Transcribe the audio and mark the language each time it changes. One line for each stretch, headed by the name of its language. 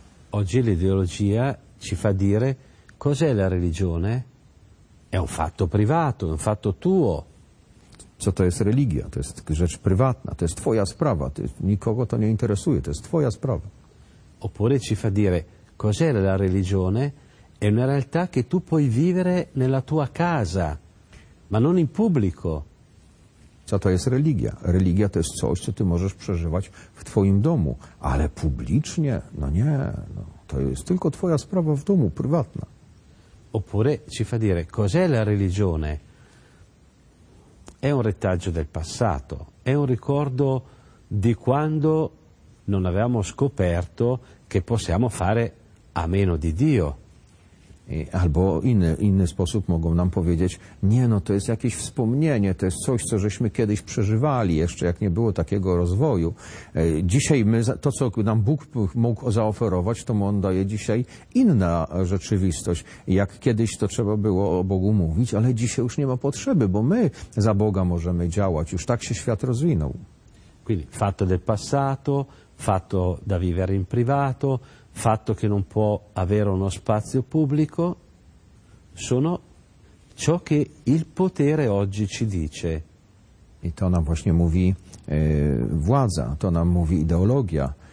Italian: Oggi l'ideologia ci fa dire: cos'è la religione? È un fatto privato, è un fatto tuo.
Polish: Co to jest religia? To jest rzecz prywatna, to jest twoja sprawa, nikogo to nie interesuje, to jest twoja sprawa.
Italian: Oppure ci fa dire: cos'è la religione? È una realtà che tu puoi vivere nella tua casa, ma non in pubblico.
Polish: Co to jest religia? Religia to jest coś, co ty możesz przeżywać w twoim domu, ale publicznie? No nie, no, to jest tylko twoja sprawa w domu, prywatna.
Italian: Oppure ci fa dire: cos'è la religione? È un retaggio del passato, è un ricordo di quando non avevamo scoperto che possiamo fare a meno di Dio.
Polish: Albo inny sposób mogą nam powiedzieć: nie, no to jest jakieś wspomnienie, to jest coś, co żeśmy kiedyś przeżywali, jeszcze jak nie było takiego rozwoju. Dzisiaj my, to co nam Bóg mógł zaoferować, to on daje dzisiaj inna rzeczywistość. Jak kiedyś to trzeba było o Bogu mówić, ale dzisiaj już nie ma potrzeby, bo my za Boga możemy działać, już tak się świat rozwinął.
Italian: Quindi fatto del passato, fatto da vivere in privato, fatto che non può avere uno spazio pubblico, sono ciò che il potere oggi ci dice.
Polish: I to nam właśnie mówi władza, to nam mówi ideologia.